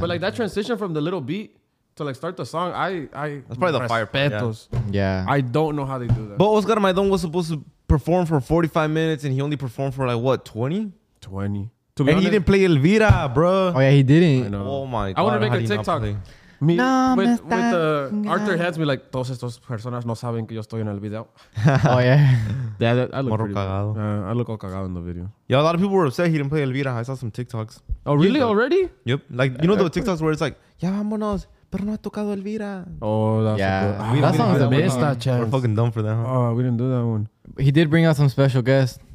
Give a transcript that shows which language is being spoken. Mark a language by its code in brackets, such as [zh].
[en] But like that transition from the little beat to like start the song, I that's probably the fire petos. Yeah. I don't know how they do that. But Oscar Maidon was supposed to perform for 45 minutes and he only performed for like what, 20? 20. To be honest, he didn't play Elvira, bro. Oh yeah, he didn't. Oh my God. I want to make a TikTok. Me, no, with the Arthur heads me like, [es] todos estos personas no saben que yo estoy en el video. [en] Oh, yeah. Yeah, I look pretty cagado. I look all cagado in the video. Yeah, a lot of people were upset he didn't play Elvira. I saw some TikToks. Oh, really? Yeah. Already? Yep. Like, you know the TikToks where it's like, [es] ya vámonos, pero no ha tocado Elvira. [en] Oh, that's so good. That song is amazing. We're fucking dumb for that, huh? Oh, we didn't do that one. He did bring out some special guests.